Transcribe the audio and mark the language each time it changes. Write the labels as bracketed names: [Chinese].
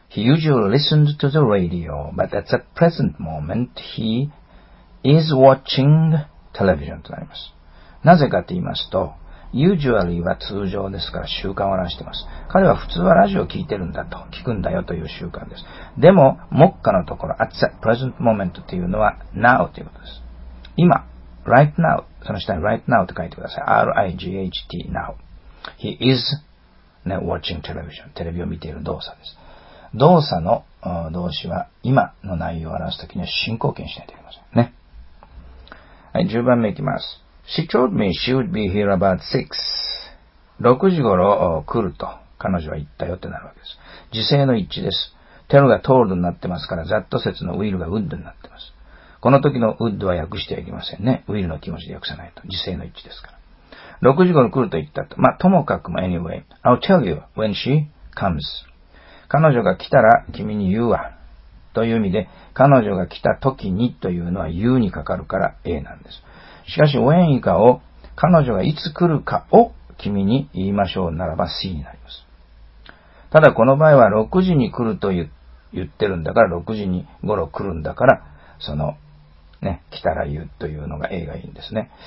[English] He usually listened to the radio, but at the present moment, he is watching television [Japanese] となります。なぜかと言いますと、usually は通常ですから習慣を表しています。彼は普通はラジオを聞いてるんだと、聞くんだよという習慣です。でも、目下のところ、at the present moment というのは now ということです。今、right now、その下に right now と書いてください。r-i-g-h-t now。 [English] He is、ね、watching television. [Japanese] テレビを見ている動作です。動作の動詞は今の内容を表すときには進行形にしないといけませんね。はい、10番目いきます。 [English] She told me she would be here about 6. [Japanese] 6時頃来ると彼女は言ったよってなるわけです。時制の一致です。tell が told になってますから、ざっと説の will が would になってます。この時の would は訳してはいけませんね。will の気持ちで訳さないと。時制の一致ですから。6時頃来ると言ったと。まあ、ともかくも [English] anyway, I'll tell you when she comes. [Japanese] 彼女が来たら君に言うわ。という意味で、彼女が来た時にというのは言うにかかるから A なんです。しかし、when 以下を、彼女がいつ来るかを君に言いましょうならば C になります。ただこの場合は6時に来ると言ってるんだから、6時に頃来るんだから、その、ね、来たら言うというのが A がいいんですね。